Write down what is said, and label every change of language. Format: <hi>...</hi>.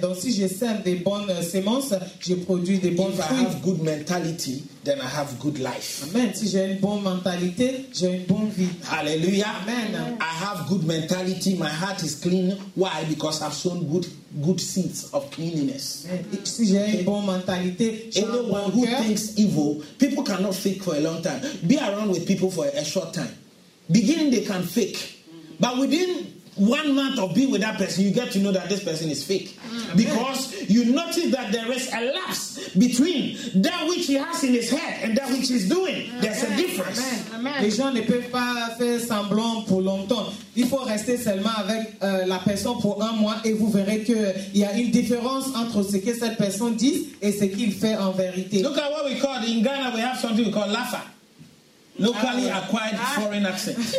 <fr>Donc si je sème des bonnes semences, je produis des bonnes fruits.</fr> <en>If I have good mentality, then I have good life. Amen.</en> <fr>Si j'ai une bonne mentalité, j'ai une bonne vie. Hallelujah. Amen.</fr> <en>I have good mentality. My heart is clean. Why? Because I've sown good seeds of cleanliness.</en> <fr>Si j'ai une bonne mentalité,</fr> <en>anyone who thinks evil, people cannot think for a long time. Be around with people for a short time. Beginning they can fake, but within 1 month of being with that person, you get to know that this person is fake. Because you notice that there is a lapse between that which he has in his head and that which he's doing. There's a difference.</en> <fr>Les gens ne peuvent pas faire semblant pour longtemps. Il faut rester seulement avec la personne pour 1 mois et vous verrez qu'il y a une différence entre ce que cette personne dit et ce qu'il fait en vérité.</fr> <en>Look at what we call in Ghana, we have something we call Lafa. Locally acquired foreign accent.</en>